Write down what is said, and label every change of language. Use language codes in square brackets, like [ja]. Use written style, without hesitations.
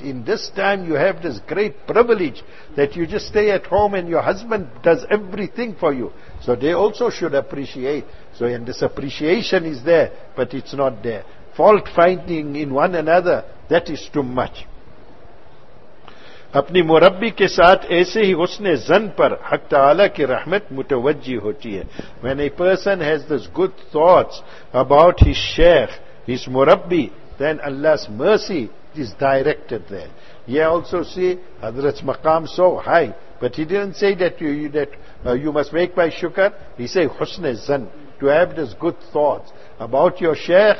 [en] In this time you have this great privilege that you just stay at home and your husband does everything for you. So they also should appreciate. So and this appreciation is there, but it's not there. Fault finding in one another, that is too much. [ur] اپنی مربی کے ساتھ ایسے ہی حسن زن پر حق تعالیٰ کی رحمت متوجہ ہوتی ہے. [en] When a person has this good thoughts about his shaykh, his murabbi, then Allah's mercy is directed there. You also see Hazrat's maqam so high, but he didn't say that you must make my shukr. He said حسن زن, to have this good thoughts about your shaykh.